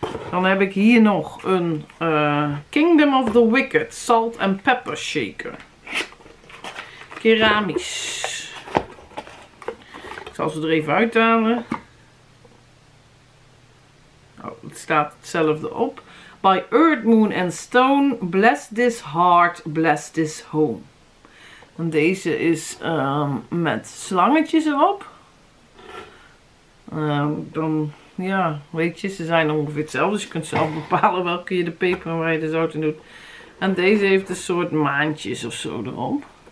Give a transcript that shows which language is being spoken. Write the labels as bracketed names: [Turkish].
[Dutch] Dan heb ik hier nog een Kingdom of the Wicked Salt and Pepper Shaker. Keramisch. Ik zal ze er even uithalen. Oh, het staat hetzelfde op. [English] By Earth, Moon and Stone, bless this heart, bless this home. [Dutch] En deze is met slangetjes erop. Dan, ja, weet je, ze zijn ongeveer hetzelfde. Dus je kunt zelf bepalen welke je de peper en waar je de zout in doet. En deze heeft een soort maantjes of zo erop.